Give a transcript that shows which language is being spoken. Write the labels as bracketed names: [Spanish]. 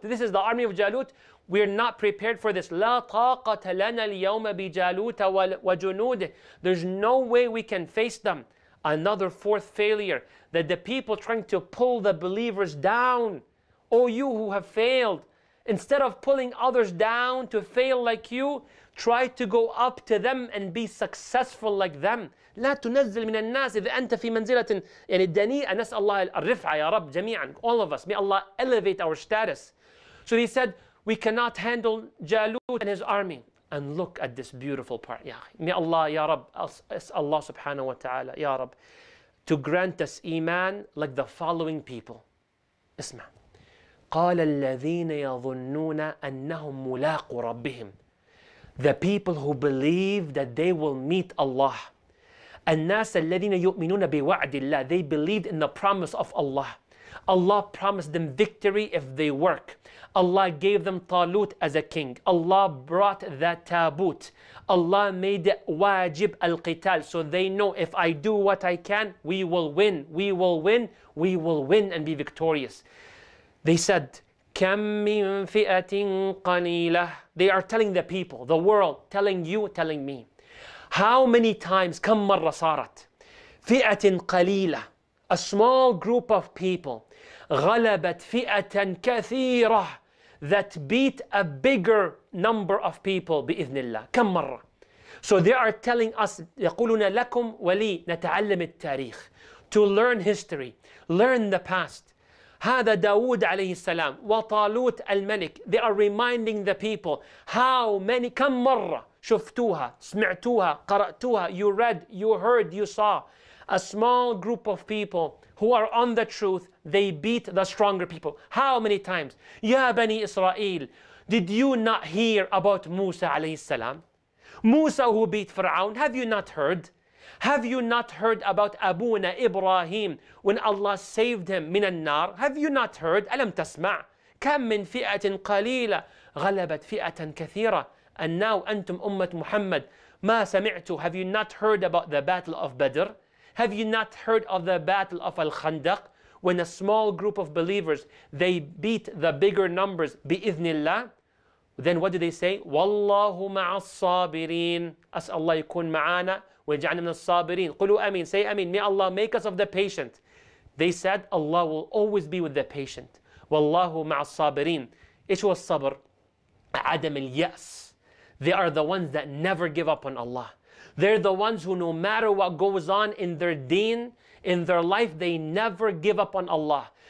[English] This is the army of Jalut. We are not prepared for this. [Arabic] لَا طَاقَةَ لَنَا الْيَوْمَ بِجَالُوتَ وَجُنُودِهِ [English] There's no way we can face them. Another fourth failure. That the people trying to pull the believers down. Oh, you who have failed. Instead of pulling others down to fail like you, try to go up to them and be successful like them. [Arabic] لا تنزل من الناس إذا أنت في منزلة يعني الدنيا نسأل الله الرفعة يا رب جميعا [English] all of us. May Allah elevate our status. So he said, we cannot handle Jalut and his army. And look at this beautiful part. [Arabic] يا أخي. [English] May Allah, [Arabic] يا رب, أسأل الله سبحانه وتعالى يا رب [English] to grant us إيمان like the following people. [Arabic] اسمع. قال الذين يظنون أنهم ملاقو ربهم [English] The people who believe that they will meet Allah [Arabic] الناس الذين يؤمنون بوعد الله [English] They believed in the promise of Allah Allah promised them victory if they work Allah gave them طالوت as a king Allah brought the تابوت Allah made [Arabic] واجب القتال [English] So they know if I do what I can we will win We will win and be victorious They said, [Arabic] كم من فئة قليلة. [English] They are telling the people, the world, telling you, telling me. How many times, [Arabic] كم مرة صارت؟ فئة قليلة. [English] A small group of people. [Arabic] غلبت فئة كثيرة. [English] That beat a bigger number of people [Arabic] بإذن الله. كم مرة؟ [English] So they are telling us, [Arabic] يقولون لكم ولي نتعلم التاريخ. [English] To learn history. Learn the past. [Arabic] هذا داود عليه السلام وطالوت الملك. [English] They are reminding the people how many, [Arabic] كم مرة شفتوها, سمعتوها, قرأتوها. [English] You read, you heard, you saw. A small group of people who are on the truth, they beat the stronger people. How many times? [Arabic] يا بني إسرائيل, [English] did you not hear about موسى عليه السلام? موسى who beat فرعون, have you not heard? Have you not heard about [Arabic] أبونا إبراهيم [English] when Allah saved him [Arabic] من النار? [English] Have you not heard? [Arabic] ألم تسمع؟ كم من فئة قليلة غلبت فئة كثيرة. [English] And now [Arabic] أنتم أمة محمد ما سمعتوا. [English] Have you not heard about the battle of Badr? Have you not heard of the battle of Al-Khandaq? When a small group of believers, they beat the bigger numbers [Arabic] بإذن الله. [English] Then what do they say? [Arabic] وَاللَّهُ مَعَ الصَّابِرِينَ. أسأل الله يكون معانا وَيَجْعَلْنَا مِنَ الصَّابِرِينَ. قُلُوا أَمِينَ. [English] Say [Arabic] أَمِينَ. [English] May Allah make us of the patient. They said Allah will always be with the patient. [Arabic] وَاللَّهُ مَعَ الصَّابِرِينَ. إيش هو الصبر؟ عدم اليأس. [English] They are the ones that never give up on Allah. They're the ones who no matter what goes on in their deen, in their life, they never give up on Allah.